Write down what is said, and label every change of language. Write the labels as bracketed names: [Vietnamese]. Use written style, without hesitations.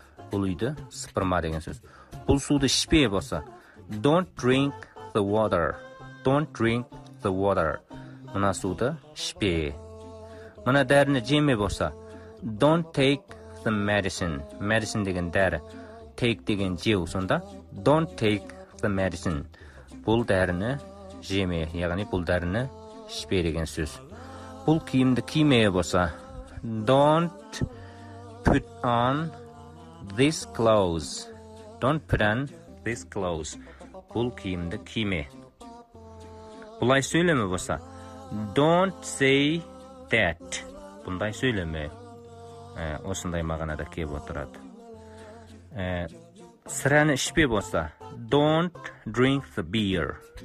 [Kazakh] Бұл үйді сыпырма деген сөз. Бұл суды ішпе болса, [English] don't drink the water. Don't drink the water. [Kazakh] Мына суды ішпе. Мына дәріні жеме болса, [English] don't take the medicine. [Kazakh] Medicine деген дәрі. Take деген жеу. Сонда [English] don't take the medicine. [Kazakh] Бұл дәріні жеме, яғни бұл дәріні ішпе деген сөз. Бұл киімді киме болса, [English] don't put on this clothes. Don't put on this clothes. [Kazakh] Бұл киімді киме. Бұлай сөйлеме болса, [English] don't say that. [Kazakh] Бұндай сөйлеме. Осындай мағанада келіп отырады. Сыраны ішпе болса, [English] don't drink the beer.